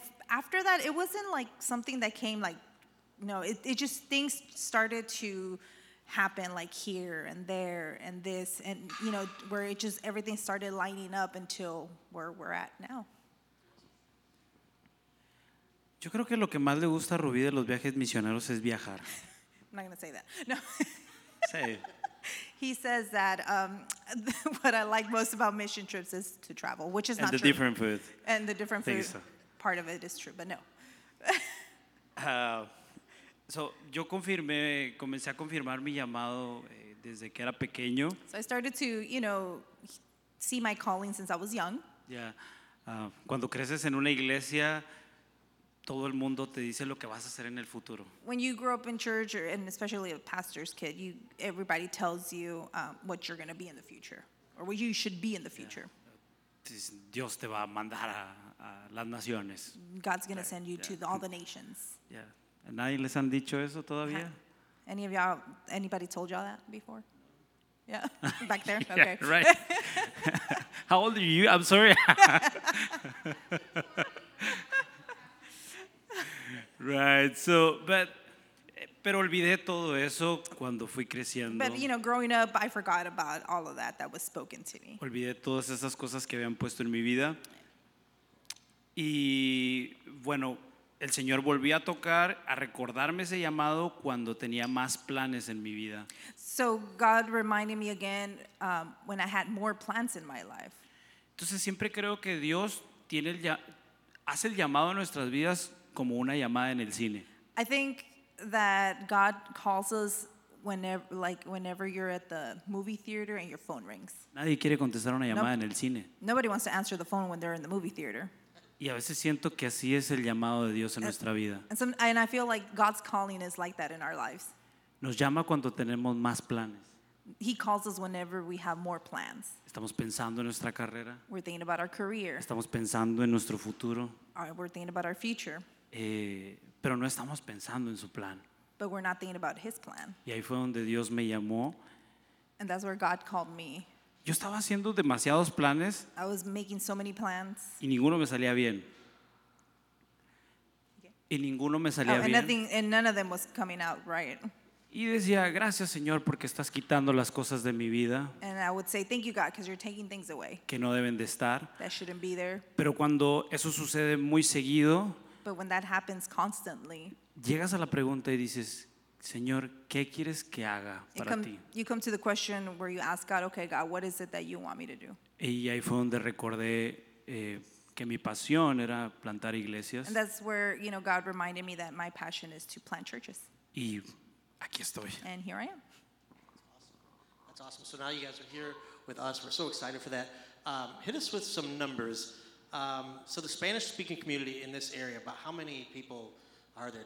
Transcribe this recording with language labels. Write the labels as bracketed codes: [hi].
[en] After that, it wasn't like something that came it just things started to happen like here and there and this and where it just everything started lining up until where we're at now. [es] Yo creo que lo que más le gusta a Rubí de los viajes misioneros es viajar. [en] I'm not gonna say that. No. Say. He says that what I like most about mission trips is to travel, which is and not the true. Different food. And the different food part of it is true, but no. [es] So, yo comencé a confirmar mi llamado desde que era pequeño. [en] So I started to, see my calling since I was young. Yeah. [es] Cuando creces en una iglesia, todo el mundo te dice lo que vas a hacer en el futuro. [en] When you grow up in church, and especially a pastor's kid, everybody tells you what you're going to be in the future, or what you should be in the future. Yeah. [es] Dios te va a mandar a las naciones. [en] God's going to send you to all the nations. Yeah. [es] ¿Nadie les han dicho eso todavía? [en] Any of y'all, anybody told y'all that before? Yeah, back there? Yeah, okay. Right. How old are you? I'm sorry. Right, so, [es] pero olvidé todo eso cuando fui creciendo. [en] But, growing up, I forgot about all of that was spoken to me. [es] Olvidé todas esas cosas que habían puesto en mi vida. Y, bueno, el Señor volvió a tocar, a recordarme ese llamado cuando tenía más planes en mi vida. [en] So God reminded me again when I had more plans in my life. [es] Entonces siempre creo que Dios hace el llamado a nuestras vidas como una llamada en el cine. [en] I think that God calls us whenever you're at the movie theater and your phone rings. [es] Nadie quiere contestar una llamada en el cine. [en] Nobody wants to answer the phone when they're in the movie theater. [es] Y a veces siento que así es el llamado de Dios en nuestra vida. [en] And I feel like God's calling is like that in our lives. [es] Nos llama cuando tenemos más planes. [en] He calls us whenever we have more plans. [es] Estamos pensando en nuestra carrera. [en] We're thinking about our career. [es] Estamos pensando en nuestro futuro. [en] We're thinking about our future. [es] Pero no estamos pensando en su plan. [en] But we're not thinking about his plan. [es] Y ahí fue donde Dios me llamó. [en] And that's where God called me. [es] Yo estaba haciendo demasiados planes. [en] I was making so many plans. [es] Y ninguno me salía bien. Okay. Y ninguno me salía bien. [en] And none of them was coming out right. [es] Y decía, gracias, Señor, porque estás quitando las cosas de mi vida. [en] And I would say, thank you, God, because you're taking things away. [es] Que no deben de estar. [en] That shouldn't be there. [es] Pero cuando eso sucede muy seguido, [en] but when that happens constantly, [es] llegas a la pregunta y dices, Señor, ¿qué quieres que haga para ti? [en] You come to the question where you ask God, okay, God, what is it that you want me to do? [es] Y ahí fue donde recordé que mi pasión era plantar iglesias. [en] And that's where, you know, God reminded me that my passion is to plant churches. [es] Y aquí estoy. [en] And here I am. That's awesome. So now you guys are here with us. We're so excited for that. Hit us with some numbers. So the Spanish-speaking community in this area, about how many people are there?